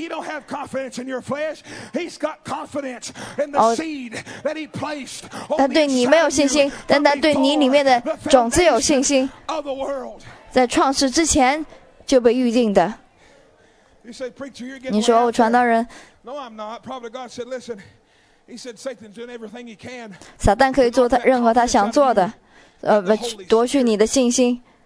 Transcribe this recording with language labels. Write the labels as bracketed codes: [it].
[en] He don't have confidence in your flesh. He's got confidence in the seed that he placed. [zh] 他对你没有信心 但他对你里面的种子有信心 [en] of the world. [zh] 在创世之前就被预定的 [en] You say, preacher, you're getting [zh] 你说, 传道人, [en] No, I'm not. Probably God said, listen. He said, Satan's doing everything he can. [zh] 撒旦可以做任何他想做的 夺取你的信心